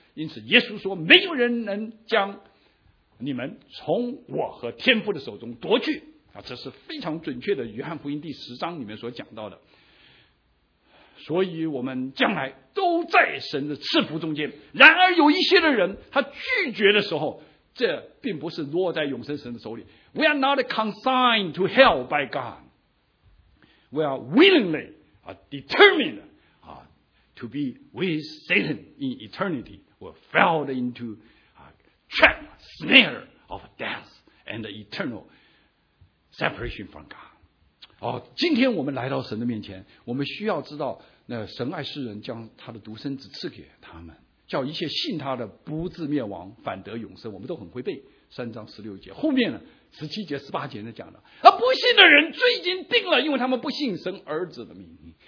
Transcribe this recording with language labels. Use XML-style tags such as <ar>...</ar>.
<zh>因此耶稣说，没有人能将你们从我和天父的手中夺去啊，这是非常准确的，约翰福音第十章里面所讲到的。所以我们将来都在神的赐福中间，然而有一些的人他拒绝的时候，这并不是落在永生神的手里。</zh> <en>We are not consigned to hell by God. We are willingly determined to be with Satan in eternity. We fell into a trap, snare of death and eternal separation from God.</en> <zh>今天我们来到神的面前，我们需要知道那神爱世人，将他的独生子赐给他们，叫一切信他的不至灭亡，反得永生。我们都很会背三章十六节，后面呢十七节、十八节呢讲的，不信的人罪已经定了，因为他们不信神儿子的名。</zh>